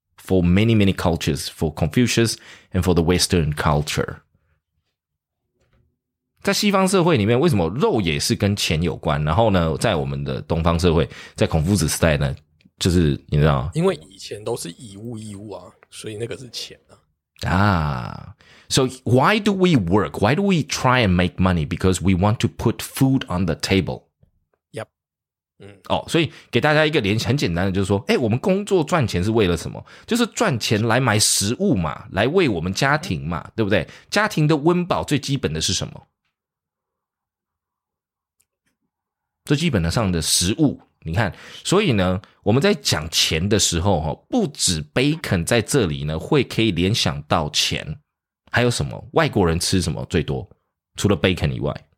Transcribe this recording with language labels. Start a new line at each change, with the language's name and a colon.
English: For many, many cultures, for Confucius and for the Western culture.
Chinese: 在西方社会里面为什么肉也是跟钱有关然后呢在我们的东方社会在孔夫子时代呢就是你知道因为以前都是以物易物啊所以那个是钱啊。
English: So why do we work? Why do we try and make money? Because we want to put food on the table.
Chinese: 所以给大家一个联想很简单的就是说诶我们工作赚钱是为了什么就是赚钱来买食物嘛来为我们家庭嘛对不对家庭的温饱最基本的是什么最基本的上的食物你看所以呢我们在讲钱的时候不止 bacon 在这里呢会可以联想到钱还有什么外国人吃什么最多除了 bacon 以外